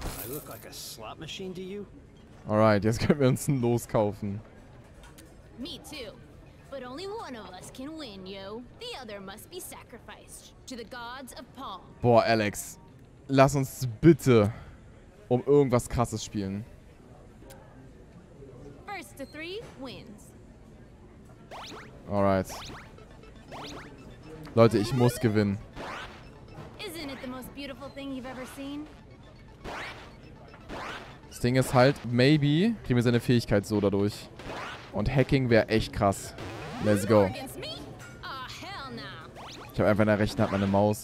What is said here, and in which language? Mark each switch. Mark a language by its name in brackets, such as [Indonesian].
[English] I look like a slot machine to you. [German] Alright, jetzt können wir uns ein Los kaufen. [English] Me too. But only one of us can win, yo. The other must be sacrificed to the gods of Palm. [German] Boah, Alex. Lass uns bitte um irgendwas Krasses spielen. [English] First to 3 wins. Alright. [German] Leute, ich muss gewinnen. [English] Isn't it the most beautiful thing you've ever seen? [German] Das Ding ist halt, maybe kriegen wir seine Fähigkeit so dadurch. Und Hacking wäre echt krass. [English] Let's go. [German] Ich habe einfach in der rechten Hand meine Maus.